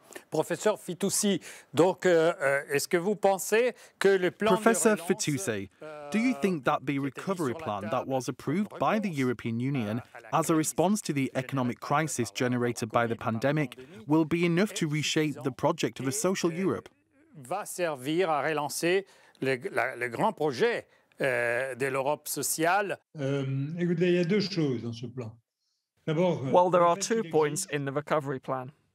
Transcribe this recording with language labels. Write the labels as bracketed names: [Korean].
[French] Professeur Fitoussi, donc est-ce que vous pensez que le plan [English] Professor Fitoussi, do you think that the recovery plan that was approved by the European Union as a response to the economic crisis generated by the pandemic will be enough to reshape the project of a social Europe? [French] Va servir à relancer le grand projet de l'Europe sociale. Écoutez, il y a deux choses dans ce plan. D'abord, [English] well, there are two points in the recovery plan.